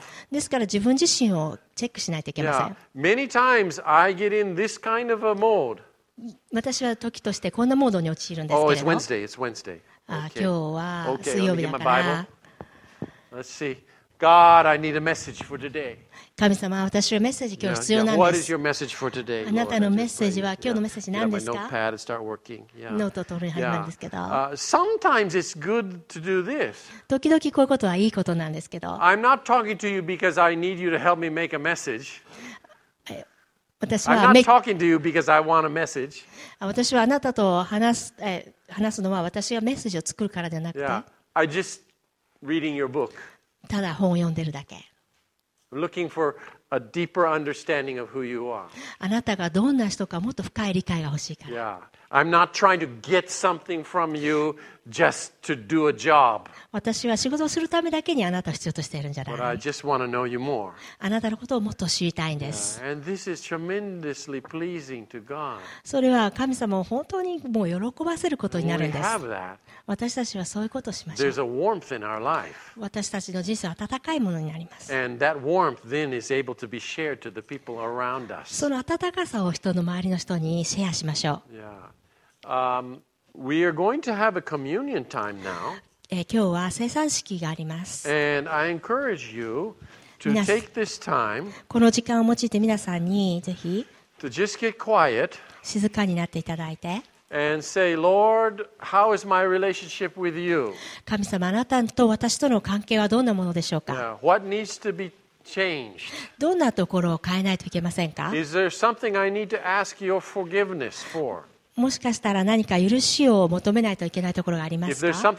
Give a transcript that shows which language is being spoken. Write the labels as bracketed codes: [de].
[ja] ですから自分自身をチェックしないといけません。 [en] Yeah. Many times I get in this kind of a mode. [ja] 私は時としてこんなモードに陥るんですけれど、 [en] Oh, it's Wednesday. It's Wednesday. [ja] Okay. 今日は水曜日だから [en] 。 Okay, let me get my Bible. Let's see. God, I need a message for today. [ja] 神様、私はメッセージ今日必要なんです。 [en] Yeah, yeah. What is your message for today? [ja] あなたのメッセージは今日のメッセージ何ですか？ [en] Yeah, my notepad start working. Yeah. [ja] ノートを取るようになるんですけど。 [en] Yeah. Sometimes it's good to do this. [ja] 時々こういうことはいいことなんですけど。 [en] I'm not talking to you because I need you to help me make a message. [ja] 私は [en] I'm not talking to you because I want a message. [ja] 私はあなたと話すのは私がメッセージを作るからじゃなくて。 [en] Yeah. I'm just reading your book. [ja] ただ本を読んでるだけ。 [en] Looking for a deeper understanding of who you are. [ja] あなたがどんな人かもっと深い理解が欲しいから。 [en] Yeah. I'm not trying to get something from you just to do a job. [ja] 私は仕事をするためだけにあなたを必要としているんじゃない。 [en] But I just want to know you more. [ja] あなたのことをもっと知りたいんです。 [en] Yeah. And this is tremendously pleasing to God. [ja] それは神様を本当にもう喜ばせることになるんです。 [en] We have that. [ja] 私たちはそういうことをしましょう。 [en] There's a warmth in our life. [ja] 私たちの人生は温かいものになります。 [en] And that warmth then is able to be shared to the people around us. [ja] その温かさを人の周りの人にシェアしましょう。 [en] Yeah. We are going to have a communion time now. [ja] 今日は聖餐式があります。 [en] And I encourage you to take this time. [ja] この時間を用いて皆さんにぜひ。 [en] To just get quiet. [ja] 静かになっていただいて。 [en] And say, Lord, how is my relationship with you? [ja] 神様、あなたと私との関係はどんなものでしょうか。 [en] Yeah, what needs to be changed? [ja] どんなところを変えないといけませんか。 [en] Is there something I need to ask your forgiveness for? [ja] もしかしたら何か許しを求めないといけないところがありますか？